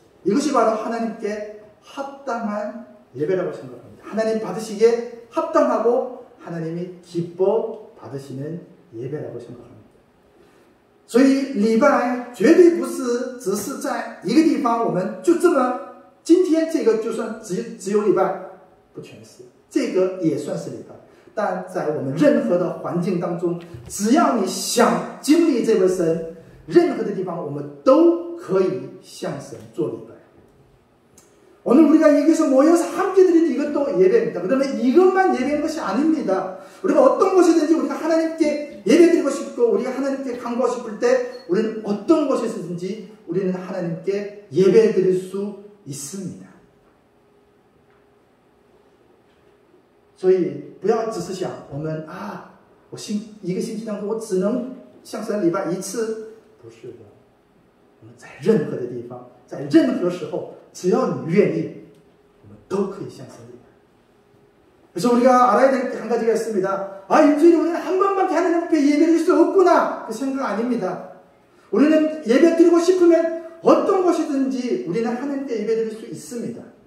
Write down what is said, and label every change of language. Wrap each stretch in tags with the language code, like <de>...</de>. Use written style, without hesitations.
<ko>이것이 바로 하나님께 합당한 예배라고 생각합니다. 하나님 받으시기에 합당하고 하나님이 기뻐 받으시는 예배라고 생각합니다.</ko> <zh>所以礼拜绝对不是只是在一个地方，我们就这么。今天这个就算只有礼拜，不全是，这个也算是礼拜。但在我们任何的环境当中，只要你想经历这位神，任何的地方我们都可以向神做礼拜。</zh> <ko>오늘 우리가 여기서 모여서 함께 드리는 이것도 예배입니다. 그러면 이것만 예배인 것이 아닙니다. 우리가 어떤 것이든지 우리가 하나님께 예배 드리고 싶고 우리가 하나님께 간구하고 싶을 때 우리는 어떤 것이든지 우리는 하나님께 예배 드릴 수 있습니다.</ko> <zh>所以不要只是想我们啊我信一个星期当中我只能向神礼拜一次不是的我们在任何的地方在任何时候 只要你愿意,我们都可以向神礼拜。</zh> <ko>그래서 우리가 알아야 될 한 가지가 있습니다. 아, 일주일에 우리는 한 번밖에 하나님 앞에 예배 드릴 수 없구나. 그 생각 아닙니다. 우리는 예배 드리고 싶으면 어떤 것이든지 우리는 하나님께 예배 드릴 수 있습니다.</ko>